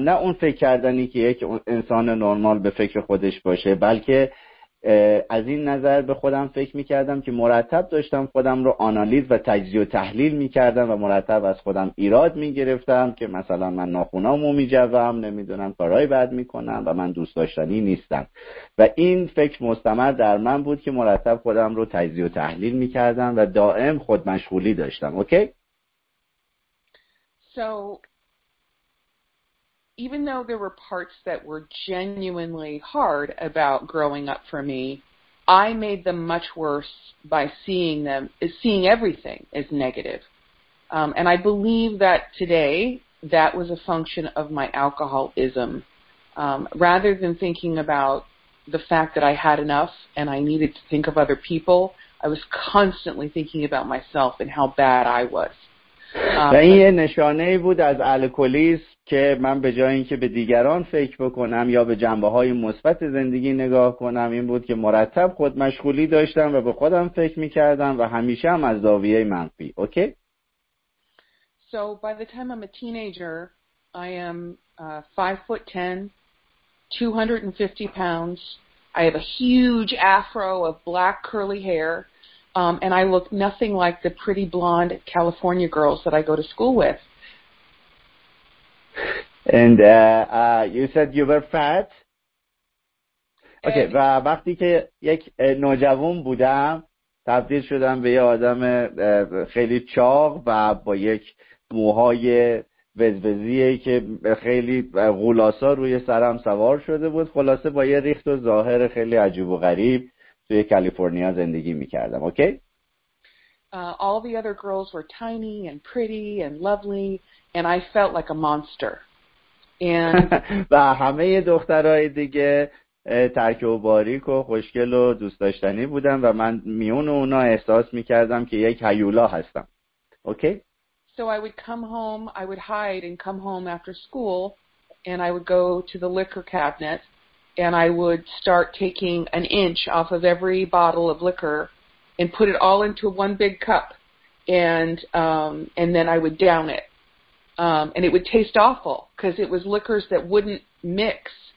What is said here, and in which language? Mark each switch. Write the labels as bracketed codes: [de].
[fa] نه اون فکر کردنی که یک انسان نرمال به فکر خودش باشه، بلکه از این نظر به خودم فکر میکردم که مرتب داشتم خودم رو آنالیز و تجزیه و تحلیل میکردم و مرتب از خودم ایراد میگرفتم که مثلا من ناخونامو میجوم، نمیدونم کارهای بد میکنم و من دوست داشتنی نیستم و این فکر مستمر در من بود که مرتب خودم رو تجزیه و تحلیل میکردم و دائم خودمشغولی داشتم. [en] Okay? So even though there were parts that were genuinely hard about growing up for me, I made them much worse by seeing everything as negative. And I believe that today that was a function of my alcoholism. Rather than thinking about the fact that I had enough and I needed to think of other people, I was constantly thinking about myself and how bad I was. [fa] و این یه نشانه بود از الکلیسم که من به جای اینکه به دیگران فکر بکنم یا به جنبه‌های مثبت زندگی نگاه کنم، این بود که مرتب خود مشغولی داشتم و به خودم فکر می‌کردم و همیشه هم از زاویه منفی. [en] Okay? So by the time I'm a teenager, I am 5 foot 10, 250 pounds. I have a huge afro of black curly hair. And I look nothing like the pretty blonde California girls that I go to school with. And you said you were fat. [fa] Okay, و وقتی که یک نوجوان بودم، تبدیل شدم به یه آدم خیلی چاق و با یک موهای وزوزیه که خیلی غولاسا روی سرم سوار شده بود. خلاصه با یه ریخت و ظاهر خیلی عجیب و غریب توی کالیفرنیا زندگی می‌کردم. [en] Okay? All the other girls were tiny and pretty and lovely and I felt like a monster. And [fa] و همه دخترای دیگه ترکیب و باریک و خوشگل و دوست داشتنی بودن و من میون اونا احساس می‌کردم که یک هیولا هستم. [en] Okay? So I would come home, I would hide and come home after school and I would go to the liquor cabinet. And I would start taking an inch off of every bottle of liquor and put it all into one big cup. And then I would down it. And it would taste awful because it was liquors that wouldn't mix.